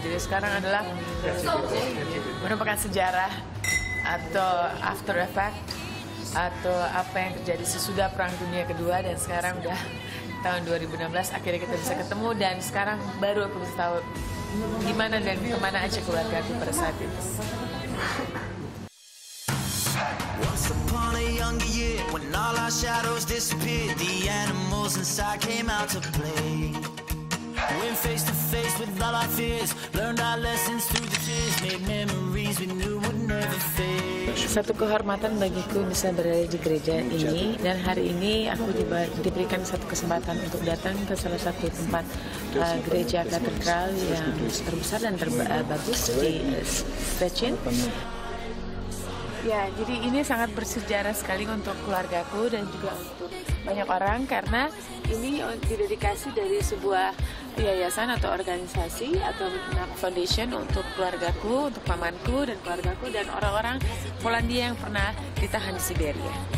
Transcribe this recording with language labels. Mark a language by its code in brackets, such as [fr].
[id] Jadi sekarang adalah merupakan sejarah atau [en] after effect. [id] Atau apa yang terjadi sesudah Perang Dunia Kedua dan sekarang udah tahun 2016 akhirnya kita bisa ketemu dan sekarang baru aku bisa tahu gimana dan kemana aja keluarga aku pada saat itu. [en] Once upon a younger year when all our shadows disappeared, the animals inside came out to play. Went face to face with all our fears, learned our lessons through the tears, made memories we knew would never fade. [id] Satu kehormatan bagiku bisa berada di gereja ini dan hari ini aku diberikan satu kesempatan untuk datang ke salah satu tempat gereja katedral yang terbesar dan terbagus di Stettin. Ya, jadi ini sangat bersejarah sekali untuk keluargaku dan juga untuk banyak orang karena ini didedikasi dari sebuah yayasan atau organisasi atau foundation untuk keluargaku, untuk pamanku dan keluargaku dan orang-orang Polandia yang pernah ditahan di Siberia.